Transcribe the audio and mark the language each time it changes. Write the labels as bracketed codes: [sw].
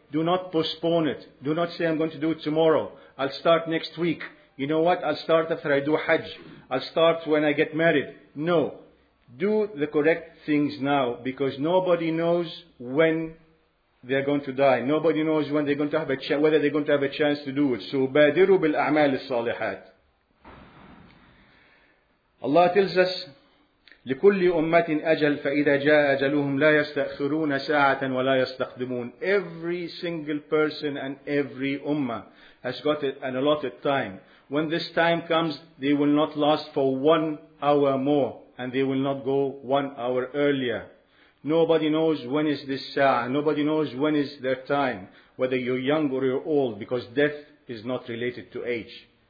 [en] Do not postpone it. Do not say, I'm going to do it tomorrow. I'll start next week. You know what? I'll start after I do hajj. I'll start when I get married. No. Do the correct things now, because nobody knows when they are going to die. Nobody knows when they're going to have whether they're going to have a chance to do it. [ar] So badiru bil a'mal as-salihat. [en] Allah tells us, [ar] لكل أمة أجل فإذا جاء أجلهم لا يستأخرون ساعة ولا يستقدمون. [en] Every single person and every ummah has got an allotted time. When this time comes, they will not last for 1 hour more, and they will not go 1 hour earlier. Nobody knows when is this sa'ah. Nobody knows when is their time, whether you're young or you're old, because death is not related to age.